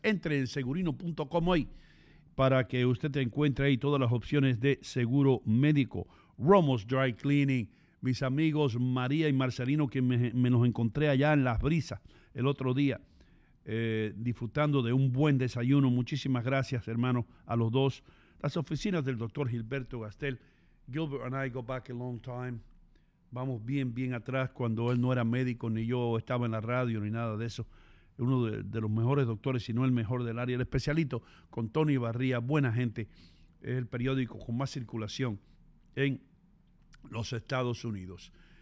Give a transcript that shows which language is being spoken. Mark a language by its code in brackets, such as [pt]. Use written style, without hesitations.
[es] Entre en segurino.com hoy para que usted te encuentre ahí todas las opciones de seguro médico. Romo's Dry Cleaning, mis amigos María y Marcelino, que me los encontré allá en Las Brisas el otro día, disfrutando de un buen desayuno. Muchísimas gracias, hermano, a los dos. Las oficinas del doctor Gilberto Gastel. [en] Gilbert and I go back a long time. [es] Vamos bien, bien atrás, cuando él no era médico, ni yo estaba en la radio, ni nada de eso. Uno de los mejores doctores, si no el mejor del área. El especialito con Tony Barría, buena gente. Es el periódico con más circulación en los Estados Unidos.